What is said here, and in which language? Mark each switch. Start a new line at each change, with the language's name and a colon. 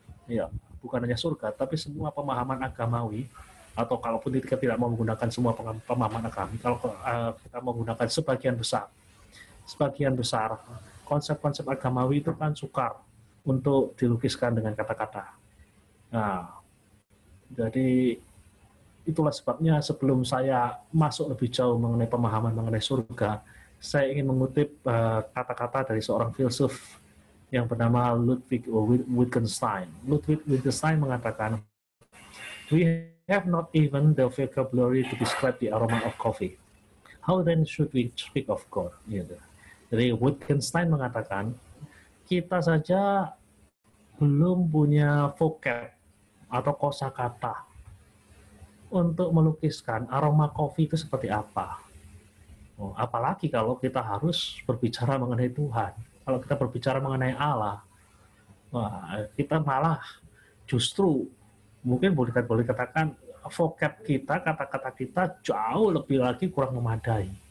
Indonesian: Ya, bukan hanya surga, tapi semua pemahaman agamawi, atau kalaupun kita tidak mau menggunakan semua pemahaman agama, kalau kita menggunakan sebagian besar konsep-konsep agamawi itu kan sukar untuk dilukiskan dengan kata-kata. Nah, jadi itulah sebabnya sebelum saya masuk lebih jauh mengenai pemahaman mengenai surga, saya ingin mengutip kata-kata dari seorang filsuf yang bernama Ludwig Wittgenstein. Ludwig Wittgenstein mengatakan,
English: "We have not even the vocabulary to describe the aroma of coffee. How then should we speak of God?"
Indonesian: Jadi Wittgenstein mengatakan, kita saja belum punya vocab atau kosakata untuk melukiskan aroma kopi itu seperti apa. Oh, apalagi kalau kita harus berbicara mengenai Tuhan, kalau kita berbicara mengenai Allah, wah, kita malah justru mungkin boleh katakan vocab kita, kata-kata kita jauh lebih lagi kurang memadai.